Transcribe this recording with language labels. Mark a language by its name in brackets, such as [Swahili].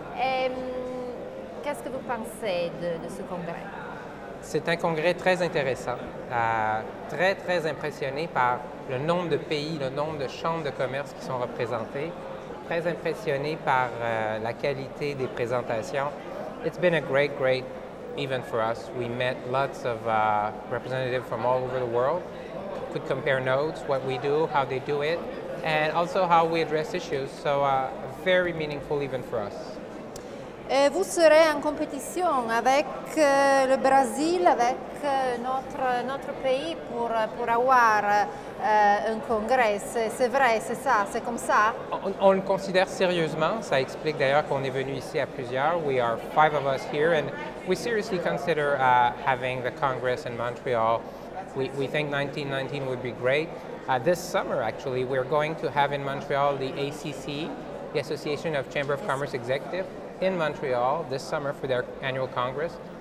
[French] Et, qu'est-ce que vous pensez de ce congrès? C'est un congrès très intéressant, très, très impressionné par le nombre de pays, le nombre de chambres de commerce qui sont représentées. Très impressionné par la qualité des présentations. [English] It's been a great, great event for us. We met lots of representatives from all over the world. Could compare notes, what we do, how they do it, and also how we address issues. So a very meaningful event for us. [French] Et vous serez en compétition avec le Brésil, avec notre pays pour avoir un congrès. C'est vrai, c'est ça, c'est comme ça. On le considère sérieusement. Ça explique d'ailleurs qu'on est venu ici à plusieurs. [English] We are five of us here, and we seriously consider having the congress in Montreal. We think 1919 would be great. This summer, actually, we're going to have in Montreal the ACC, the Association of Chamber of Commerce Executive. In Montreal this summer for their annual congress.